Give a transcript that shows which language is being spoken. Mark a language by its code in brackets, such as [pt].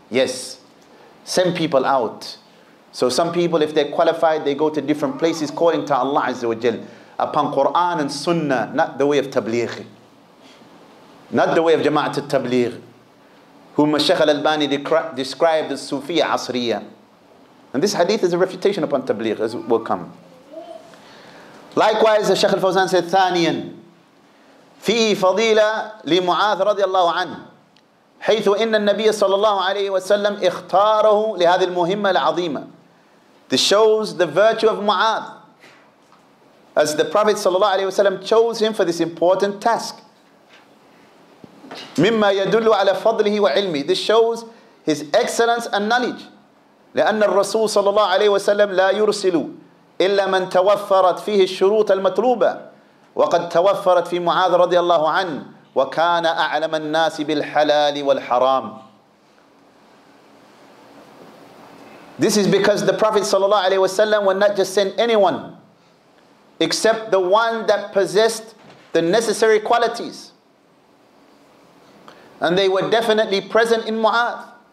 [en] Yes, send people out. So some people, if they're qualified, they go to different places calling to Allah عز وجل upon Quran and Sunnah, not the way of tabligh, not the way of جماعة التبليغ, whom الشيخ الألباني described as Sufi عصرية. And this hadith is a refutation upon tabligh, as will come. [ar] Likewise, Shaykh al-Fawzan said, ثانياً فيه فضيلة لمعاذ رضي الله عنه حيث إن النبي صلى الله عليه وسلم اختاره لهذه المهمة العظيمة. [en] This shows the virtue of Mu'adh, as the Prophet صلى الله عليه وسلم chose him for this important task. [ar] مما يدل على فضله وعلمه. [en] This shows his excellence and knowledge. [ar] لأن الرسول صلى الله عليه وسلم لا يرسل إلا من توفرت فيه الشروط المطلوبة وقد توفرت في معاذ رضي الله عنه وكان أعلم الناس بالحلال والحرام. [en] This is because the Prophet صلى الله عليه وسلم would not just send anyone except the one that possessed the necessary qualities, and they were definitely present in Mu'adh.